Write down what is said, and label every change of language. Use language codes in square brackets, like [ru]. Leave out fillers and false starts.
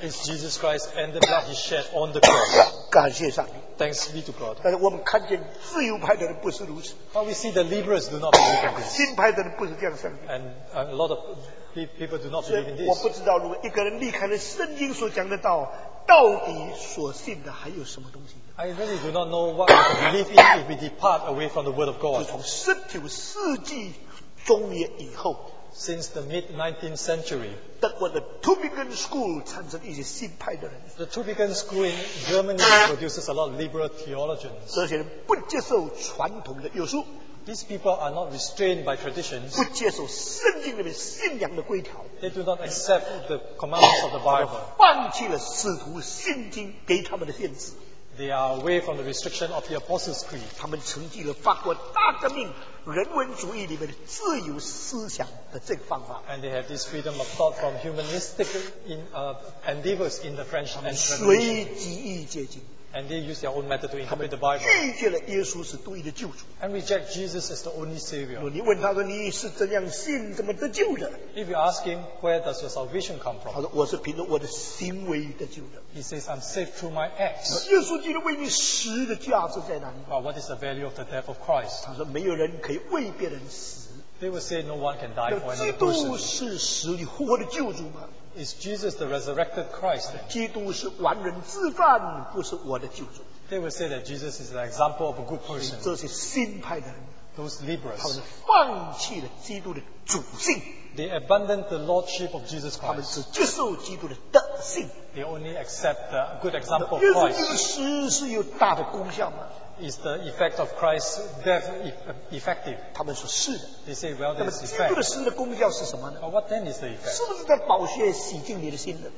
[en] It's Jesus Christ and the blood he shed on the cross. [zh] 感谢上帝 [en] Thanks be to God. [zh] 但是我们看见自由派的人不是如此 [en] But we see the liberals do not believe in this. [zh] 新派的人不是这样想的 [en] And a lot of people do not believe in this. [zh] 我不知道如果一个人离开了圣经所讲的道 到底所信的还有什么东西 [en] I really do not know what we believe in if we depart away from the word of God. [zh] 就从19世纪中叶以后 [en] Since the mid-19th century, [zh] 德国的 Tübingen School 产生一些新派的人, [en] the Tübingen School in Germany produces a lot of liberal theologians. [zh] 这些人不接受传统的约束, [en] these people are not restrained by traditions. [zh] 不接受圣经里面信仰的规条, [en] they do not accept the commandments of the Bible. [zh] 放弃了使徒信经给他们的限制, [en] they are away from the restriction of the Apostles' Creed. [zh] 他们承继了法国大革命, 人文主义里面的自由思想的这个方法, [en] and they have this freedom of thought from humanistic in, endeavors in the French Revolution. And they use their own method to interpret the Bible. [zh] 拒绝了耶稣是独一的救主, [en] and reject Jesus as the only Savior. [zh] 你问他说你是怎样信怎么得救的, [en] if you ask him, where does your salvation come from? [zh] 他说我是凭着我的行为得救的, [en] he says, I'm saved through my acts. [zh] 耶稣基督为你死的价值在哪里? [en] But what is the value of the death of Christ? [zh] 他说没有人可以为别人死, [en] they will say no one can die for another person. [zh] 基督是死里复活的救主吗? [en] Is Jesus the resurrected Christ? [zh] 基督是完人之范, 不是我的救主。 [en] They will say that Jesus is an example of a good person. [zh] 这是新派的人, [en] those liberals, [zh] 他们放弃了基督的主性, [en] they abandoned the lordship of Jesus Christ. [zh] 他们只接受基督的德性, [en] they only accept the good example of Christ. [zh] 耶稣基督死是有大的功效吗? [en] Is the effect of Christ's death effective? [zh] 他们说是的, [en] they say, well, there's effect. [zh] 基督的死的功效是什么呢? [en] But what then is the effect? [zh] 是不是在宝血洗净你的心呢?